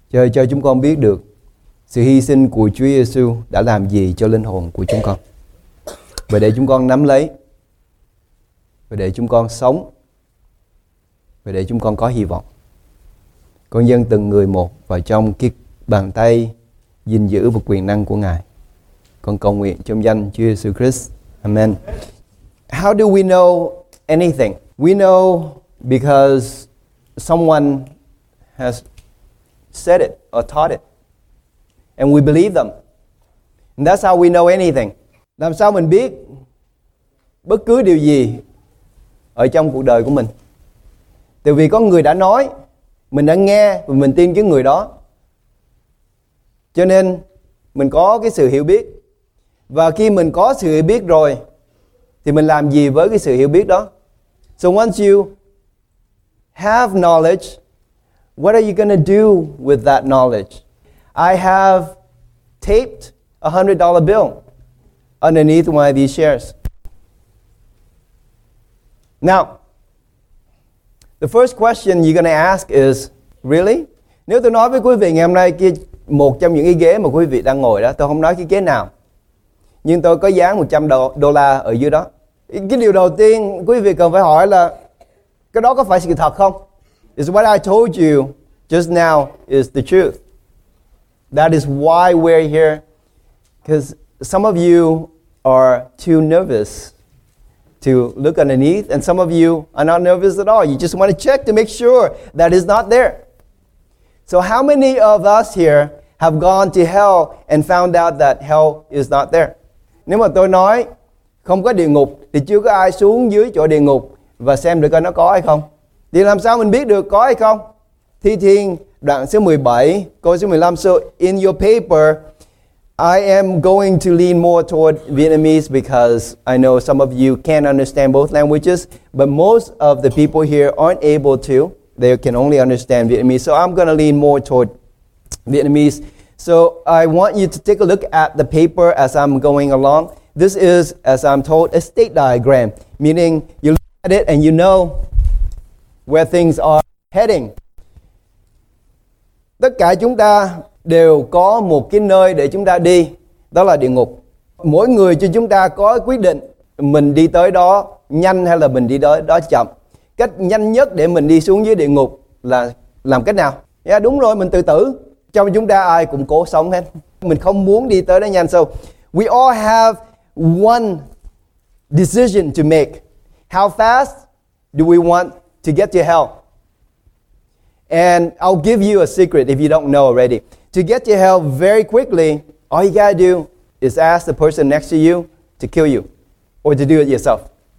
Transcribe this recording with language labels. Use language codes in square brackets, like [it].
[vi] Cho chúng con biết được sự hy sinh của Chúa Giêsu đã làm gì cho linh hồn của chúng con, và để chúng con nắm lấy, và để chúng con sống, và để chúng con có hy vọng. Con dâng từng người một vào trong cái bàn tay gìn giữ và quyền năng của Ngài. Con cầu nguyện trong danh Chúa Giêsu Christ. [en] Amen. How do we know anything? We know because someone has said it or taught it, and we believe them. And that's how we know anything. [vi] Làm sao mình biết bất cứ điều gì ở trong cuộc đời của mình? Tại vì có người đã nói, mình đã nghe và mình tin cái người đó. Cho nên mình có cái sự hiểu biết. Và khi mình có sự hiểu biết rồi, thì mình làm gì với cái sự hiểu biết đó? [en] So once you have knowledge, what are you going to do with that knowledge? I have taped $100 bill underneath one of these shares. Now, the first question you're going to ask is, really? [vi] Nếu tôi nói với quý vị ngày hôm nay, một trong những cái ghế mà quý vị đang ngồi đó, tôi không nói cái ghế nào, nhưng tôi có dán $100 ở dưới đó. Cái điều đầu tiên quý vị cần phải hỏi là, cái đó có phải sự thật không? [en] Is what I told you just now is the truth? That is why we're here. Because some of you are too nervous to look underneath, and some of you are not nervous at all. You just want to check to make sure that is not there. So how many of us here have gone to hell and found out that hell is not there? [vi] Nếu mà tôi nói không có địa ngục thì chưa có ai xuống dưới chỗ địa ngục và xem được coi nó có hay không. Thì làm sao mình biết được có hay không? Thi Thiên đoạn số 17, câu số 15. [en] So in your paper, I am going to lean more toward Vietnamese because I know some of you can understand both languages, but most of the people here aren't able to. They can only understand Vietnamese. So I'm going to lean more toward Vietnamese. So I want you to take a look at the paper as I'm going along. This is, as I'm told, a state diagram, meaning you look at it and you know where things are heading. [vi] Tất cả chúng ta đều có một cái nơi để chúng ta đi, đó là địa ngục. Mỗi người cho chúng ta có quyết định mình đi tới đó nhanh hay là mình đi tới đó chậm. Cách nhanh nhất để mình đi xuống dưới địa ngục là làm cách nào? Yeah, đúng rồi, mình tự tử. Trong chúng ta ai cũng cố sống hết. Mình không muốn đi tới đó nhanh. [en] So we all have one decision to make. How fast do we want to get to hell? And I'll give you a secret if you don't know already. To get to hell very quickly, all you gotta do is ask the person next to you to kill you or to do it yourself.